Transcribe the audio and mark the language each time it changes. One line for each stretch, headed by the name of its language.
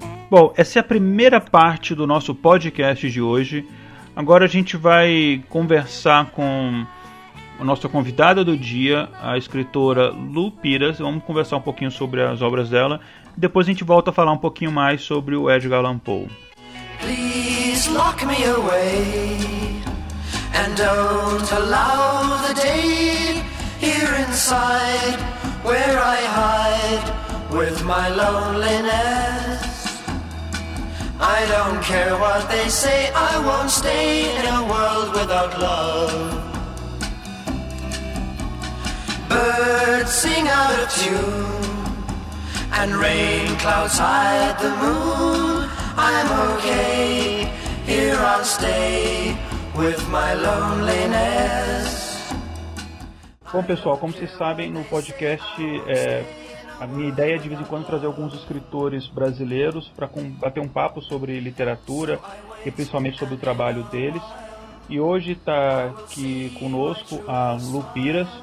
Portuguese: Bom, essa é a primeira parte do nosso podcast de hoje. Agora a gente vai conversar com a nossa convidada do dia, a escritora Lu Piras. Vamos conversar um pouquinho sobre as obras dela. Depois a gente volta a falar um pouquinho mais sobre o Edgar Allan Poe.
English: Please lock me away and don't allow the day here inside where I hide with my loneliness. I don't care what they say, I won't stay in a world without love. Birds sing out of tune and rain clouds hide the moon. I'm okay, here I'll stay with my loneliness.
Portuguese: Bom, pessoal, como vocês sabem, no podcast a minha ideia é de vez em quando trazer alguns escritores brasileiros para bater um papo sobre literatura e principalmente sobre o trabalho deles. E hoje está aqui conosco a Lu Piras.